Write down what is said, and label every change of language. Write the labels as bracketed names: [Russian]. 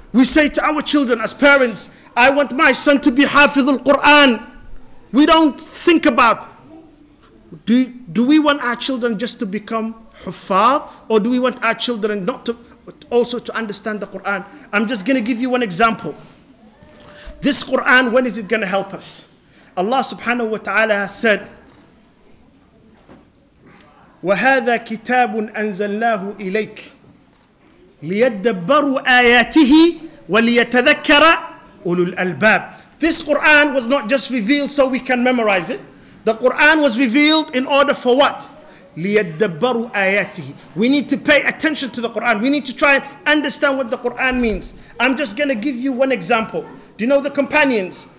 [English] We say to our children as parents, I want my son to be Hafidhul Quran. We don't think about, do we want our children just to become Huffaz? Or do we want our children not to also to understand the Quran? I'm just going to give you one example. This Quran, when is it going to help us? Allah subhanahu wa ta'ala has said, [Arabic] وَهَذَا كِتَابٌ أَنزَلْنَاهُ إِلَيْكِ لِيَدَّبَّرُوا آيَاتِهِ وَلِيَتَذَكَّرَ أُولُو الْأَلْبَابِ. [English] This Quran was not just revealed so we can memorize it. The Quran was revealed in order for what? [Arabic] لِيَدَّبَّرُوا آيَاتِهِ. [English] We need to pay attention to the Quran. We need to try and understand what the Quran means. I'm just going to give you one example. Do you know the companions?